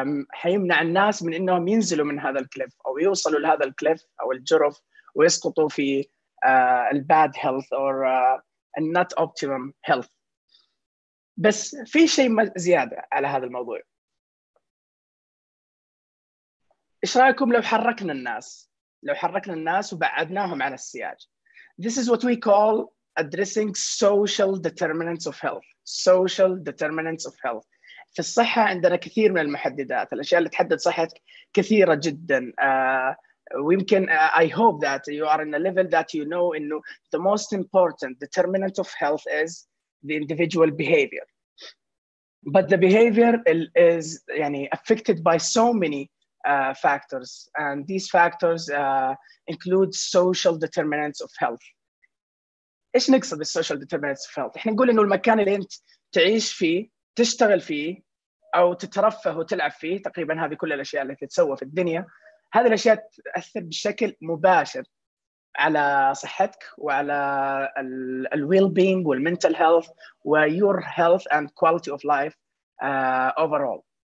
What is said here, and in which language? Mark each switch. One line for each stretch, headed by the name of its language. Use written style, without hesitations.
Arabic: حيمنع الناس من إنهم ينزلوا من هذا الكليف أو يوصلوا لهذا الكليف أو الجرف ويسقطوا في الباد هيلث أو النوت أوبتيمم هيلث. بس في شيء زيادة على هذا الموضوع. إيش رأيكم لو حركنا الناس؟ لو حركنا الناس وبعدناهم عن السياج.
English: This is what we call addressing social determinants of health. Social determinants of health.
Arabic: في الصحة عندنا كثير من المحددات. الأشياء اللي تحدد صحتك كثيرة جدا. ويمكن
English: I hope that you are in a level that you know
Arabic: إنه
English: the most important determinant of health is the individual behavior. But the behavior is
Arabic: يعني
English: affected by so many factors, and these factors include social determinants of health.
Arabic: إيش نقصد بالsocial determinants of health؟ إحنا نقول إنه المكان اللي أنت تعيش فيه، تشتغل فيه، أو تترفه وتلعب فيه، تقريباً هذه كل الأشياء التي تسوى في الدنيا، هذه الأشياء تأثر بشكل مباشر على صحتك وعلى ال well-being والmental health و
English: your health and quality of life overall.